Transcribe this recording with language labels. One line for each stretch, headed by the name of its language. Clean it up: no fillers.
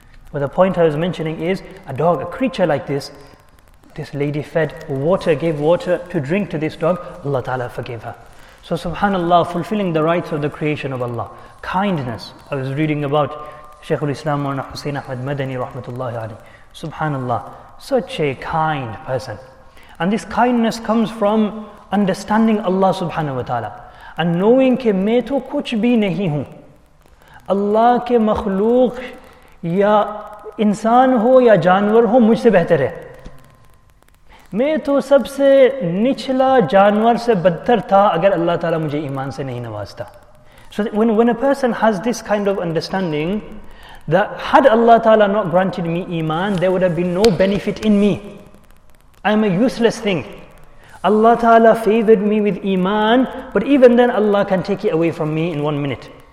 English: But the point I was mentioning is, a dog, a creature like this, this lady fed water, gave water to drink to this dog, Allah ta'ala forgave her. So subhanallah, fulfilling the rights of the creation of Allah. Kindness, I was reading about Shaykhul Islam Mawlana Hussain Ahmad Madani rahmatullahi alayhi. Subhanallah, such a kind person. And this kindness comes from understanding Allah سبحانہ و تعالیٰ and knowing
Urdu: کہ میں تو کچھ بھی نہیں ہوں. اللہ کے مخلوق یا انسان ہو یا جانور ہو، مجھ سے بہتر ہے. میں تو سب سے نچلا جانور سے بدتر تھا اگر اللہ تعالیٰ مجھے ایمان سے نہیں نوازتا.
English: So when a person has this kind of understanding that had Allah ta'ala not granted me iman, there would have been no benefit in me. I am a useless thing. Allah Ta'ala favored me with iman, but even then Allah can take it away from me in 1 minute.